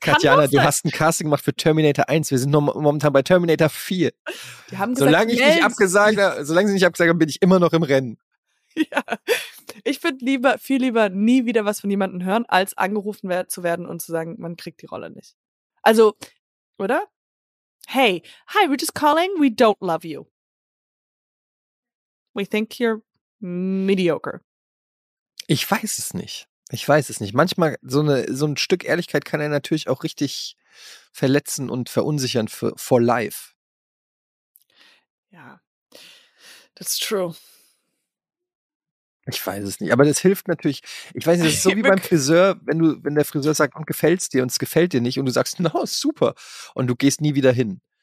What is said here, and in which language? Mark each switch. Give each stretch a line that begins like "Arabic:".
German: Katjana, du hast ein Casting gemacht für Terminator 1. Wir sind momentan bei Terminator 4. Die haben gesagt, solange sie nicht abgesagt haben, bin ich immer noch im Rennen. Ja. Ich würde viel lieber nie wieder was von jemandem hören, als angerufen zu werden und zu sagen, man kriegt die Rolle nicht. Also, oder?
English: Hey, hi, we're just calling. We don't love you. We think you're mediocre.
German: Ich weiß es nicht. Ich weiß es nicht. Manchmal so ein Stück Ehrlichkeit kann er natürlich auch richtig verletzen und verunsichern
English: for life. Ja, that's true.
German: Ich weiß es nicht, aber das hilft natürlich. Ich weiß nicht, das ist so wie beim Friseur, wenn der Friseur sagt, gefällt es dir und es gefällt dir nicht und du sagst, na, super und du gehst nie wieder hin.